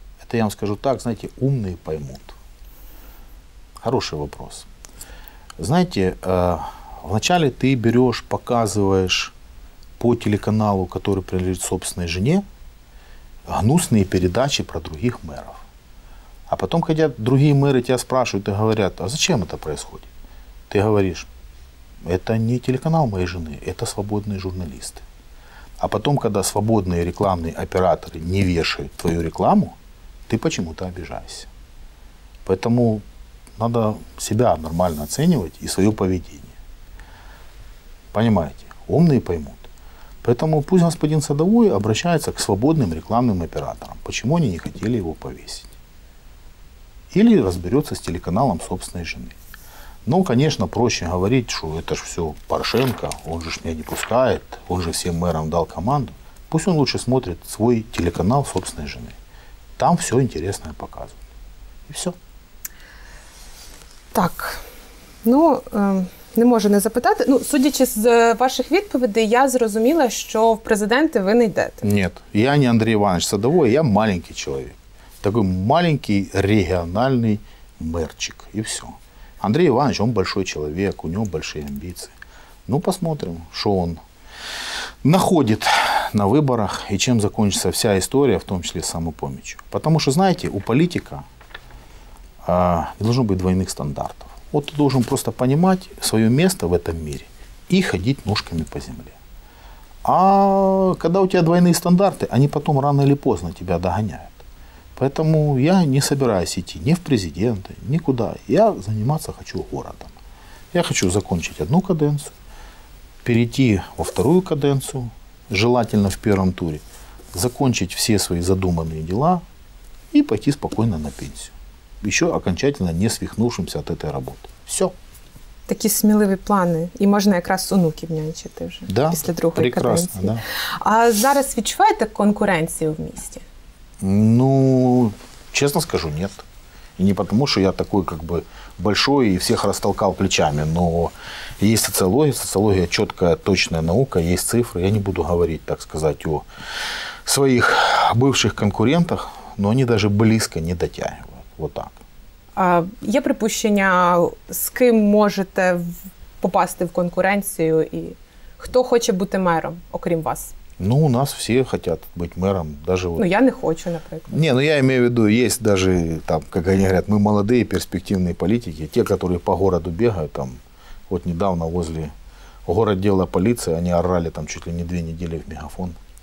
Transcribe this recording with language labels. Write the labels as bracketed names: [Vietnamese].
[Ukrainian] Це я вам скажу так, знаєте, умні [Russian] поймуть. Хороший вопрос. [Ukrainian] Знаєте, вначале ти береш, показуєш по телеканалу, який [Russian] принадлежить собственной жене, [Ukrainian] гнусні передачі про других мерів. [Russian] А потом, когда другие мэры тебя спрашивают и говорят, а зачем это происходит? Ты говоришь, это не телеканал моей жены, это свободные журналисты. А потом, когда свободные рекламные операторы не вешают твою рекламу, ты почему-то обижаешься. Поэтому надо себя нормально оценивать и свое поведение. Понимаете, умные поймут. Поэтому пусть господин Садовой обращается к свободным рекламным операторам. Почему они не хотели его повесить? Или разберется с телеканалом собственной жены. Ну, конечно, проще говорить, что это же все Порошенко, он же меня не пускает, он же всем мэрам дал команду. Пусть он лучше смотрит свой телеканал собственной жены. Там все интересное показывают. И все. [Ukrainian] Так, ну, не можу не запитати. Ну, судячи з ваших відповідей, я зрозуміла, що в президенти ви не йдете. Нет, я не Андрій Іванович Садовий, я маленький чоловік. [Russian] Такой маленький региональный мэрчик, и все. Андрей Иванович, он большой человек, у него большие амбиции. Ну, посмотрим, что он находит на выборах и чем закончится вся история, в том числе с самопомощью. Потому что, знаете, у политика не должно быть двойных стандартов. Вот ты должен просто понимать свое место в этом мире и ходить ножками по земле. А когда у тебя двойные стандарты, они потом рано или поздно тебя догоняют. Поэтому я не собираюсь идти ни в президенты, никуда. Я заниматься хочу городом. Я хочу закончить одну каденцию, перейти во вторую каденцию, желательно в первом туре, закончить все свои задуманные дела и пойти спокойно на пенсию. Еще окончательно не свихнувшимся от этой работы. Все. [Ukrainian] Такі сміливі плани. І можна якраз онуків нянчити вже, да, після другої каденції. [Russian] Да. [Ukrainian] А зараз відчуваєте конкуренцію в місті? [Russian] Ну, честно скажу, нет. И не потому, что я такой как бы большой и всех растолкал плечами, но есть социология, социология четкая, точная наука, есть цифры. Я не буду говорить, так сказать, о своих бывших конкурентах, но они даже близко не дотягивают. Вот так. [Ukrainian] Є припущення, с ким можете попасти в конкуренцию [Russian] и кто хочет [Ukrainian] бути мером, окрім вас? [Russian] Ну, у нас все хотят быть мэром. Даже ну, вот. Я не хочу, например. Не, ну я имею в виду, есть даже, там, как они говорят, мы молодые перспективные политики, те, которые по городу бегают, там, вот недавно возле город дела полиции, они орали там чуть ли не две недели в мегафон.